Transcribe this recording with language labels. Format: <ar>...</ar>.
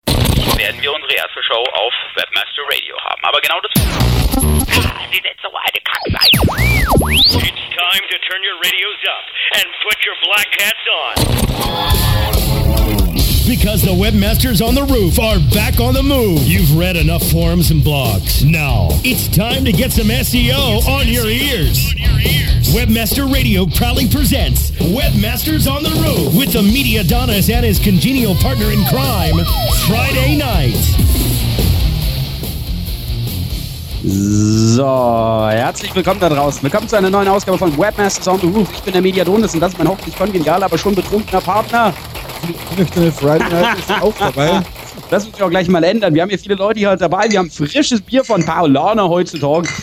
<de>werden wir unsere erste Show auf Webmaster Radio haben. Aber genau das.</de> <en>It's time to turn your radios up and put your black hats on. Because the webmasters on the roof are back on the move. You've read enough forums and blogs. Now, it's time to get some SEO on your ears. Webmaster Radio proudly presents Webmasters on the Roof with the media Donis and his congenial partner in crime, Friday night.</en> <de>So, herzlich willkommen da draußen. Willkommen zu einer neuen Ausgabe von Webmasters on the Roof. Ich bin der media Donis und das ist mein hoffentlich kongenialer, aber schon betrunkener Partner. Friday Night ist auch dabei. Das muss ich auch gleich mal ändern. Wir haben hier viele Leute hier dabei. Wir haben frisches Bier von Paulana heutzutage.</de>